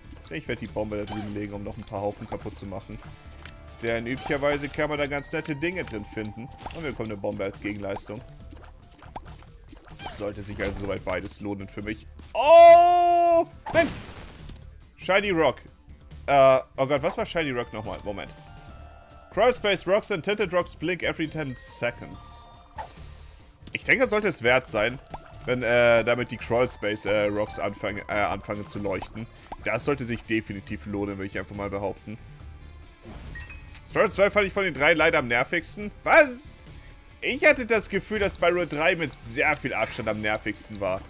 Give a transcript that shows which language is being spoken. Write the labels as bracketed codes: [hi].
[de] Ich werde die Bombe da drüben legen, um noch ein paar Haufen kaputt zu machen. Denn üblicherweise kann man da ganz nette Dinge drin finden. Und wir bekommen eine Bombe als Gegenleistung. Sollte sich also soweit beides lohnen für mich. Oh! Nein! Shiny Rock. Oh Gott, was war Shiny Rock nochmal? Moment. [en] Crawl Space Rocks and Tinted Rocks blink every 10 seconds. [de] Ich denke, das sollte es wert sein, wenn damit die Crawl Space Rocks anfangen zu leuchten. Das sollte sich definitiv lohnen, würde ich einfach mal behaupten. Spyro 2 fand ich von den drei leider am nervigsten. Was? Ich hatte das Gefühl, dass Spyro 3 mit sehr viel Abstand am nervigsten war.